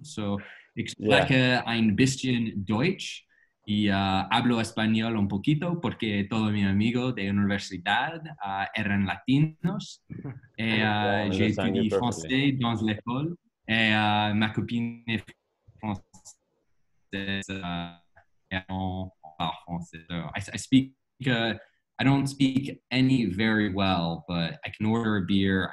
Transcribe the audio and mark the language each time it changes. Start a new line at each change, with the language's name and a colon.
English: So,
German: ich spreche ein bisschen Deutsch
Spanish: y hablo español un poquito porque todo mi amigo de universidad eran latinos.
French: J'ai étudié français dans l'école. Et ma copine est française, elle parle français.
English: I speak, I don't speak any very well, but I can order a beer.